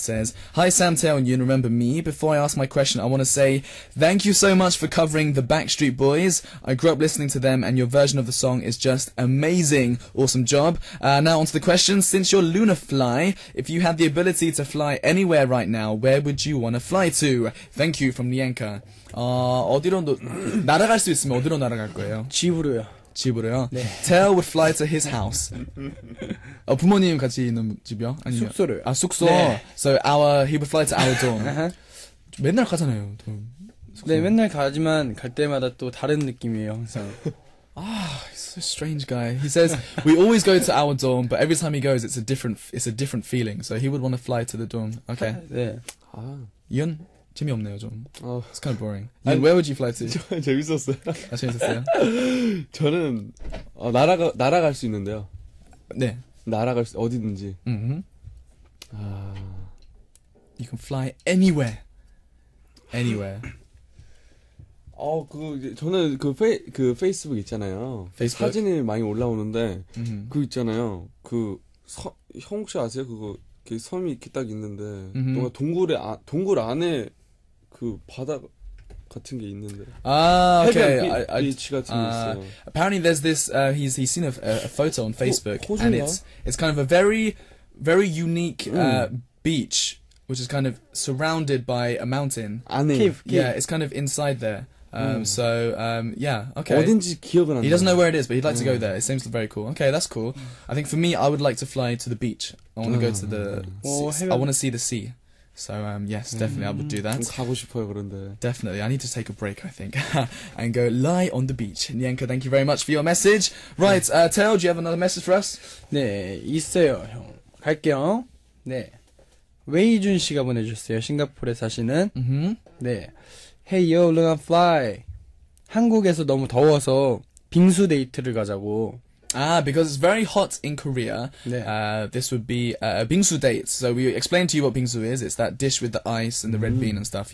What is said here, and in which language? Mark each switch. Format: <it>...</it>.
<en>Says, hi, Sam Tao and Yun, remember me? Before I ask my question, I want to say thank you so much for covering the Backstreet Boys. I grew up listening to them, and your version of the song is just amazing. Awesome job. Now onto the question. Since you're Lunafly, if you had the ability to fly anywhere right now, where would you want to fly to? Thank you from Nienka.</en> <ko>어디로 날아갈 수 있으면 어디로 날아갈 거예요? 집으로요. 집으로요? 네.</ko> <en>Tell would fly to his house.</en> <ko>부모님 같이 있는 집이요? 아니면, 숙소를. 아, 숙소? 네.</ko> <en>So our, he would fly to our dorm.</en> <ko>맨날 가잖아요. 또, 숙소. 네, 맨날 가지만 갈 때마다 또 다른 느낌이에요, 항상.</ko> <en>Ah, he's a strange guy. He says, we always go to our dorm, but every time he goes, it's a different feeling. So he would want to fly to the dorm. Okay.</en> <ko>네. 아.</ko> <en>윤?</en> <ko>재미없네요, 좀.</ko> <en>It's kind of boring. And where would you fly to?</en> <ko>재밌었어요. 아, 재밌었어요? 저는 날아갈 수 있는데요. 네. 날아갈 수 어디든지. Mm-hmm.</ko> <en>You can fly anywhere. Anywhere.</en> <ko>저는 그 페이스북 있잖아요. 페이스북? 사진이 많이 올라오는데 mm-hmm. 그 있잖아요. 그 형 혹시 아세요? 그거 그 섬이 이렇게 딱 있는데 mm-hmm. 뭔가 동굴 안에 그 바다 같은 게 있는데. 아, 오케이. Okay. 비치 같은 게 있어요.</ko> <en>Apparently there's this he's seen a photo on Facebook and it's kind of a very very unique beach which is kind of surrounded by a mountain.</en> <ko>안에.</ko> <en>Yeah, it's kind of inside there. So yeah, okay.</en> <ko>어딘지 기억은 안 나.</ko> <en>He doesn't know where it is, but he'd like to go there. It seems very cool. Okay, that's cool. I think for me I would like to fly to the beach. I want to go to the I want to see the sea. So yes, definitely I would do that.</en> <ko>좀 가고 싶어요, 그런데.</ko> <en>Definitely, I need to take a break, I think, and go lie on the beach. Nienka, thank you very much for your message. Right, Tael, do you have another message for us?</en> <ko>네, 있어요, 형. 갈게요. 네, 웨이준 씨가 보내주셨어요. 싱가포르에 사시는. Mm-hmm.</ko> <en>네, Hey yo, Luna Fly.</en> <ko>한국에서 너무 더워서 빙수 데이트를 가자고.</ko> <en>Ah, because it's very hot in Korea,</en> <ko>네.</ko> <en>This would be a bingsu date. So we explained to you what bingsu is. It's that dish with the ice and the red bean and stuff.</en>